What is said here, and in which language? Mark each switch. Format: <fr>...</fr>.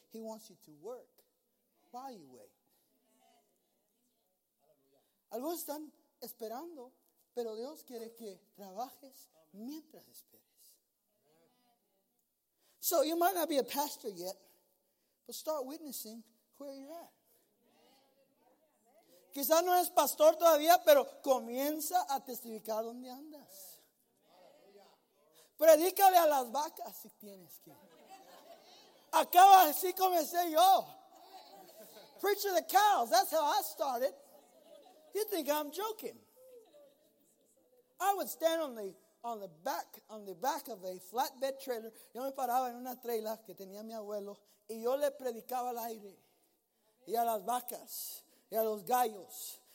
<en>He wants you to work while you wait.</en> <es>Algunos están esperando, pero Dios quiere que trabajes mientras esperes.</es> <en>So you might not be a pastor yet, but start witnessing where you're at.</en> <es>Quizás no es pastor todavía, pero comienza a testificar dónde andas. Predícale a las vacas si tienes que. Acaba así comencé yo.</es> <en>preach to the cows. That's how I started. You'd think I'm joking. I would stand on the back of a flatbed trailer.</en> <es>Yo me paraba en una trela que tenía mi abuelo y yo le predicaba al aire y a las vacas y a los gallos.</es>